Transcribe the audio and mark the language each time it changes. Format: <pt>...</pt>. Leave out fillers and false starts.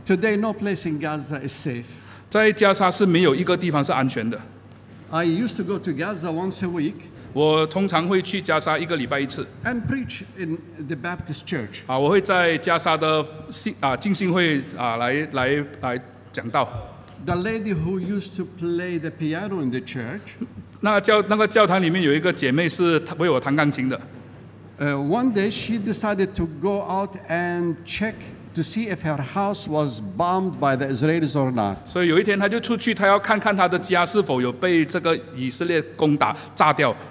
<en>Today, no place in Gaza is safe.</en> <zh>在加沙是没有一个地方是安全的。</zh> <en>I used to go to Gaza once a week.</en> <zh>我通常会去加沙一个礼拜一次。</zh> <en>And preach in the Baptist church.</en> <zh>我会在加沙的浸信会来讲道。</zh> <en>The lady who used to play the piano in the church.</en> <zh>那个教堂里面有一个姐妹是为我弹钢琴的。</zh> <en>One day she decided to go out and check to see if her house was bombed by the Israelis or not.</en> <zh>所以有一天她就出去，她要看看她的家是否有被这个以色列攻打炸掉。</zh>